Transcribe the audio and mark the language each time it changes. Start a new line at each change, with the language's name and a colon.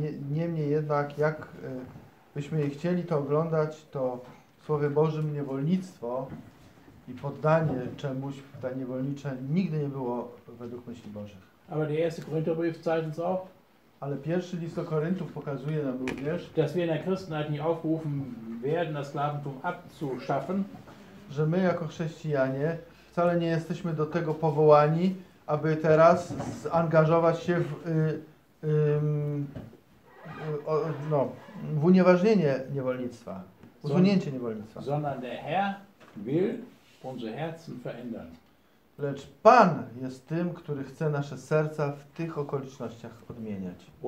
Polish: Niemniej jednak, jak byśmy je chcieli to oglądać, to w Słowie Bożym niewolnictwo i poddanie czemuś, ta niewolnicze, nigdy nie było według myśli Bożych.
German: Aber der erste Korintherbrief zeigt uns auch,
Polish: ale pierwszy list do Koryntów pokazuje nam również,
German: dass wir in der Christenheit nie aufgerufen werden, das Sklaventum abzuschaffen,
Polish: że my jako chrześcijanie wcale nie jesteśmy do tego powołani, aby teraz zaangażować się w unieważnienie niewolnictwa, usunięcie niewolnictwa.
German: Sondern der Herr will unsere Herzen verändern.
Polish: Lecz Pan jest tym, który chce nasze serca w tych okolicznościach odmieniać.